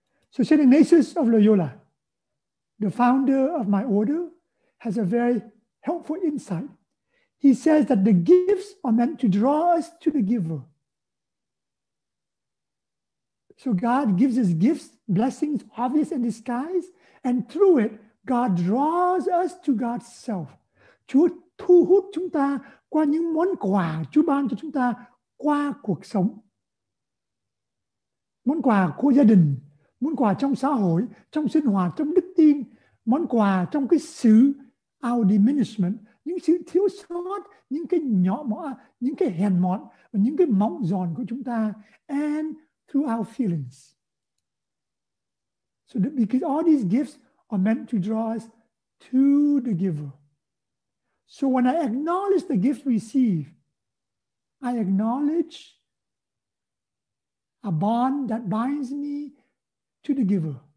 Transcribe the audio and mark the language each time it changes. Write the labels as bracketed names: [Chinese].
[English] So St. Ignatius of Loyola, the founder of my order, has a very helpful insight. He says that the gifts are meant to draw us to the giver. So God gives us gifts, blessings, obvious and disguised, and through it, God draws us to God's self. [Vietnamese] Chúa thu hút chúng ta qua những món quà Chúa ban cho chúng ta qua cuộc sống. Món quà của gia đình, món quà trong xã hội, trong sinh hoạt, trong đức tin, món quà trong cái sự [English] our diminishment, [Vietnamese] những sự thiếu sót, những cái nhỏ mọ, những cái hèn mọn và những cái mỏng giòn của chúng ta, [English] and through our feelings. So that because all these gifts are meant to draw us to the giver. So when I acknowledge the gifts received, I acknowledge a bond that binds me to the giver.